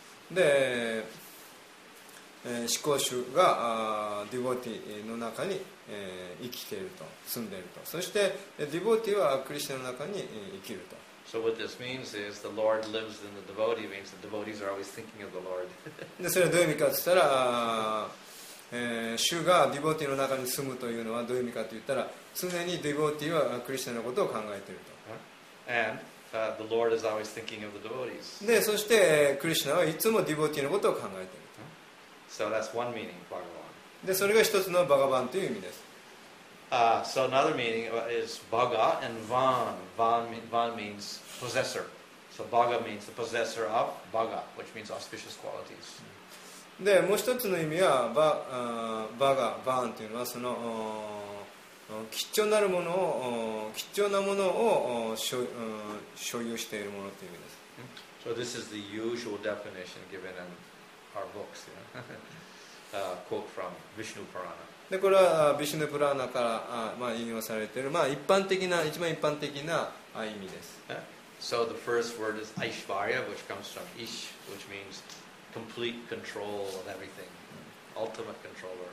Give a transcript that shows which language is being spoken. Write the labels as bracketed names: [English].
[Japanese] で、思考主が、ディボティの中に、生きていると、住んでいると。そして、ディボティはクリシュナの中に、生きると。 [English] So what this means is the Lord lives in the devotee means the devotees are always thinking of the Lord. [Japanese] で、それはどういう意味かといったら、主がディボティの中に住むというのはどういう意味かといったら、常にディボティはクリシュナのことを考えていると。 [English] And the Lord is always thinking of the devotees. [Japanese] で、そして、クリシュナはいつもディボティのことを考えている。 [English] So that's one meaning, Bhagavan. [Japanese] で、それが一つのバガヴァンという意味です。 [English] So another meaning is Bhaga and Van. Van means possessor. So Bhaga means the possessor of Bhaga, which means auspicious qualities. [Japanese] で、もう一つの意味は、バガ、バンというのは、その、貴重なるものを、貴重なものを所有しているものという意味です。 [English] So this is the usual definition given in our books, you know. quote from Vishnu Purana. [Japanese] でこれはビシュヌプラーナから、まあ、引用されている、まあ、一般的な一番一般的な意味です。 [English] So the first word is Aishvarya, which comes from Ish, which means complete control of everything, ultimate controller.